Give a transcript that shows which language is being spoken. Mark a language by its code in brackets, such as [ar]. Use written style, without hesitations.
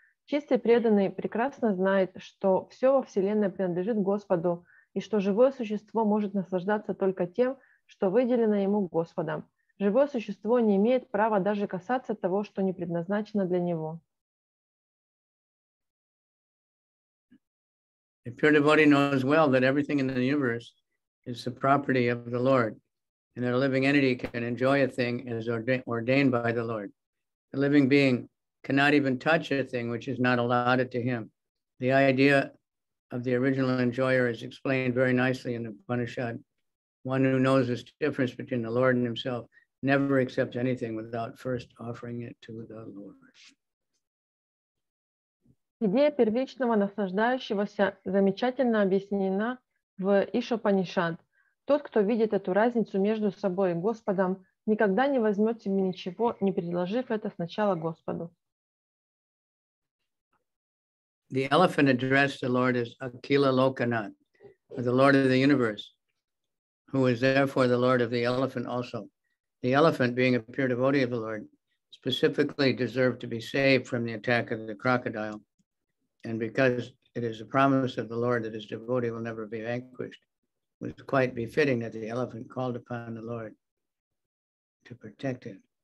[ru] Чистый преданный прекрасно знает, что все во Вселенной принадлежит Господу, и что живое существо может наслаждаться только тем, что выделено ему Господом. Живое существо не имеет права даже касаться того, что не предназначено для него. [en] The pure devotee knows well that everything in the universe is the property of the Lord. And that a living entity can enjoy a thing as ordained by the Lord. A living being cannot even touch a thing which is not allotted to him. The idea of the original enjoyer is explained very nicely in the Upanishad. One who knows this difference between the Lord and himself never accepts anything without first offering it to the Lord. [ru] Идея первичного наслаждающегося замечательно объяснена в Ишопанишад. Тот, кто видит эту разницу между собой и Господом, никогда не возьмет себе ничего, не предложив это сначала Господу. [en] The elephant addressed the Lord as Akila Lokanath, or the Lord of the universe, who is therefore the Lord of the elephant also. The elephant, being a pure devotee of the Lord, specifically deserved to be saved from the attack of the crocodile, and because it is a promise of the Lord that his devotee will never be vanquished, was quite befitting that the elephant called upon the Lord to protect it.